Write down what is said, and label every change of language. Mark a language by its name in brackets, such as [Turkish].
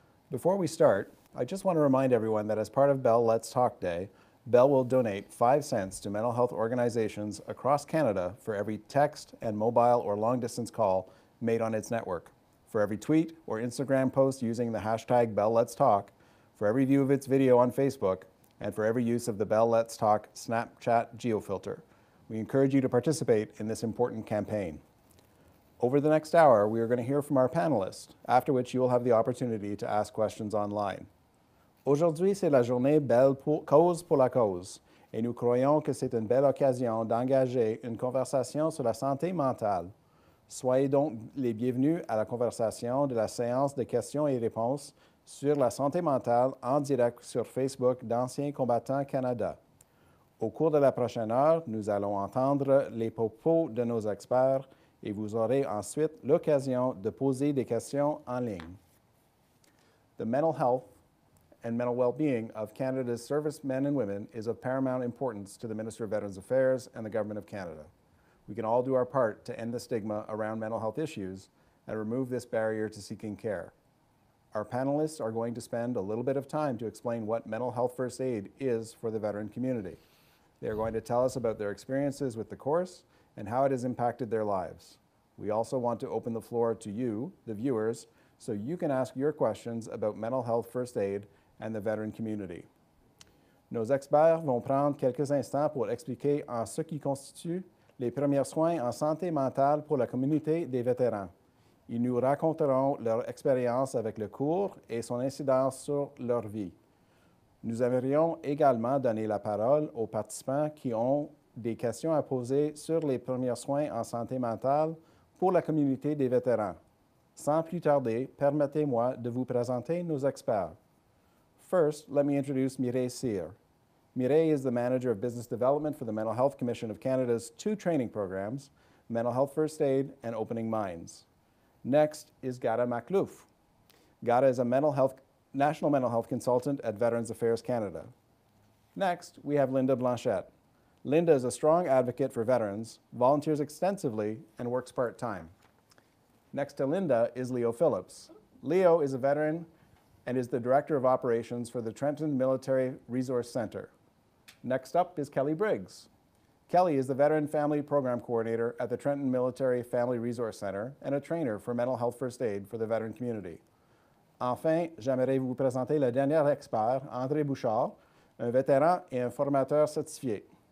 [English] Before we start, I just want to remind everyone that as part of Bell Let's Talk Day, Bell will donate 5 cents to mental health organizations across Canada for every text and mobile or long distance call made on its network, for every tweet or Instagram post using the hashtag Bell Let's Talk, for every view of its video on Facebook, and for every use of the Bell Let's Talk Snapchat geofilter. We encourage you to participate in this important campaign. Over the next hour, we are going to hear from our panelists, after which you will have the opportunity to ask questions online. [French] Aujourd'hui, c'est la journée belle pour, cause pour la cause, et nous croyons que c'est une belle occasion d'engager une conversation sur la santé mentale. Soyez donc les bienvenus à la conversation de la séance de questions et réponses sur la santé mentale en direct sur Facebook d'Anciens Combattants Canada. Au cours de la prochaine heure, nous allons entendre les propos de nos experts et vous aurez ensuite l'occasion de poser des questions en ligne. [English] The mental health and mental well-being of Canada's servicemen and women is of paramount importance to the Minister of Veterans Affairs and the Government of Canada. We can all do our part to end the stigma around mental health issues and remove this barrier to seeking care. Our panelists are going to spend a little bit of time to explain what mental health first aid is for the veteran community. They are going to tell us about their experiences with the course and how it has impacted their lives. We also want to open the floor to you, the viewers, so you can ask your questions about mental health first aid and the veteran community. [French] Nos experts vont prendre quelques instants pour expliquer en ce qui constitue les premiers soins en santé mentale pour la communauté des vétérans. Ils nous raconteront leur expérience avec le cours et son incidence sur leur vie. Nous aimerions également donner la parole aux participants qui ont des questions à poser sur les premiers soins en santé mentale pour la communauté des vétérans. Sans plus tarder, permettez-moi de vous présenter nos experts. [English] First, let me introduce Mireille Cyr. Mireille is the Manager of Business Development for the Mental Health Commission of Canada's two training programs, Mental Health First Aid and Opening Minds. Next is Gada Maklouf. Gada is a National Mental Health Consultant at Veterans Affairs Canada. Next, we have Linda Blanchette. Linda is a strong advocate for veterans, volunteers extensively, and works part-time. Next to Linda is Leo Phillips. Leo is a veteran and is the Director of Operations for the Trenton Military Resource Center. Next up is Kelly Briggs. Kelly is the Veteran Family Program Coordinator at the Trenton Military Family Resource Center and a trainer for mental health first aid for the veteran community. [French] Enfin, j'aimerais vous présenter le dernier expert, André Bouchard, un vétéran et un formateur certifié.